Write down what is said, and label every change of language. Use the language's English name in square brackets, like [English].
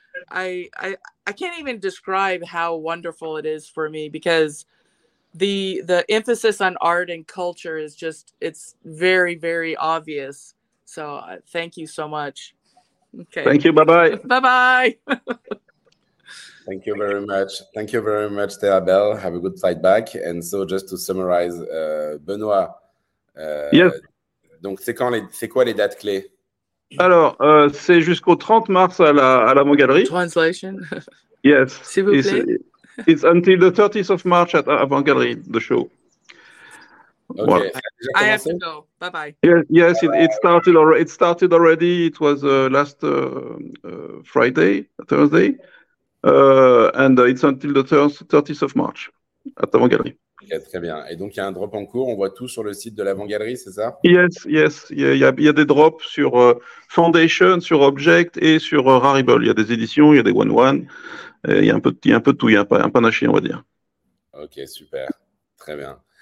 [English] I can't even describe how wonderful it is for me, because the emphasis on art and culture is just, it's very, very obvious. So thank you so much. Okay. Thank you. Bye-bye. Bye-bye. Thank you very much. Thank you very much, Stelabel. Have a good flight back. And so just to summarize, Benoit Yes. [French] Donc, c'est quoi les dates clés? Alors, c'est jusqu'au 30 mars à la Avant-Galerie. [English] Translation. Yes. [French] S'il vous plaît. [English] It's until the 30th of March at Avant-Galerie, the show. [French] Okay. Voilà. [English] I have to go. Bye-bye. Yes, yes, it started already. It was last Friday, Thursday. And it's until the 30th of March at Avant-Galerie. Yeah, [French] très bien. Et donc, il y a un drop en cours. On voit tout sur le site de l'Avant-Galerie, c'est ça? [English] Yes, yes. [French] Il y a des drops sur Foundation, sur Object et sur Rarible. Il y a des éditions, il y a des one-one. Il y a un peu de tout. Il y a un panaché, on va dire. Ok, super. Très bien.